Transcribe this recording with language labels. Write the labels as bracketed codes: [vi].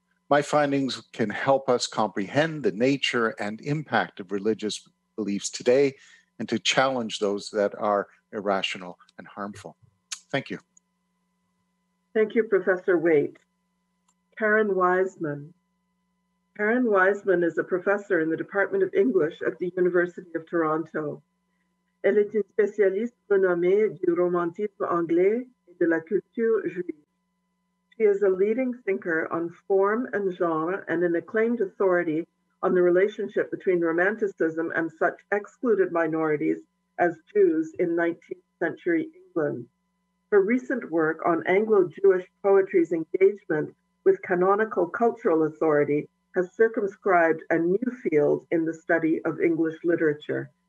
[en] My findings can help us comprehend the nature and impact of religious beliefs today and to challenge those that are irrational and harmful. Thank you. Thank you, Professor Waite. Karen Wiseman. Karen Wiseman is a professor in the Department of English at the University of Toronto. [fr] Elle est une spécialiste renommée du romantisme anglais et de la culture juive. [en] She is a leading thinker on form and genre and an acclaimed authority on the relationship between romanticism and such excluded minorities as Jews in 19th century England. Her recent work on Anglo-Jewish poetry's engagement with canonical cultural authority has circumscribed a new field in the study of English literature.